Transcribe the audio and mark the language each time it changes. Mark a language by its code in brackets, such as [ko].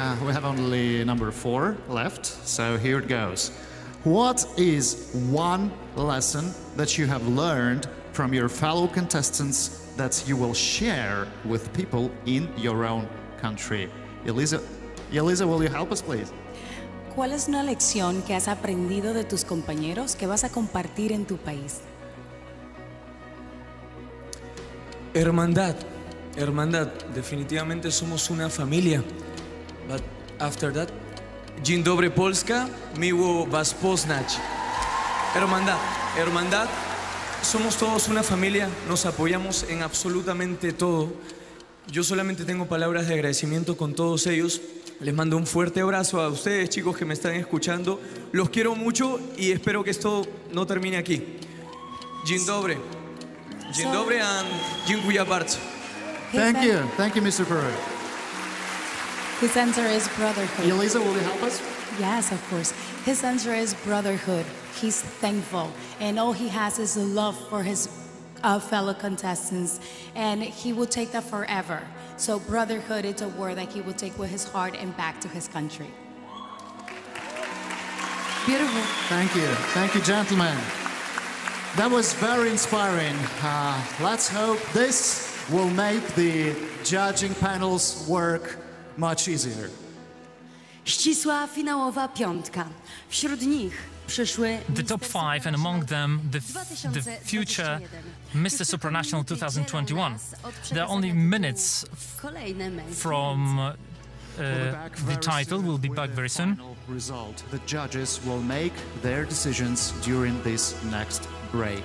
[en] We have only number 4 left, so here it goes. What is one lesson that you have learned from your fellow contestants that you will share with people in your own country? Eliza, will you help us, please? [es] ¿Cuál es una lección que has aprendido de tus compañeros que vas a compartir en tu país? Hermandad, definitivamente somos una familia. [en] But after that, [pl] Dzień dobry Polska, miło was poznać. [es] Hermandad, somos todos una familia, nos apoyamos en absolutamente todo. Yo solamente tengo palabras de agradecimiento con todos ellos. Les mando un fuerte abrazo a ustedes, chicos, que me están escuchando. Los quiero mucho y espero que esto no termine aquí. [pl] Dzień dobry. Dzień dobry and dziękuję bardzo. [en] Thank you, Mr. Perry. His answer is brotherhood. Eliza, will you help us? Yes, of course. His answer is brotherhood. He's thankful, and all he has is love for his fellow contestants, and he will take that forever. So brotherhood is a word that he will take with his heart and back to his country. Beautiful. Thank you, gentlemen. That was very inspiring. Let's hope this will make the judging panel's work much easier. [pl] Ścisła finałowa piątka. Wśród nich przyszły [en] the top 5, and among them the future Mr. Supranational 2021. There are only minutes from the title. We'll be back very soon. Result. The judges will make their decisions during this next break.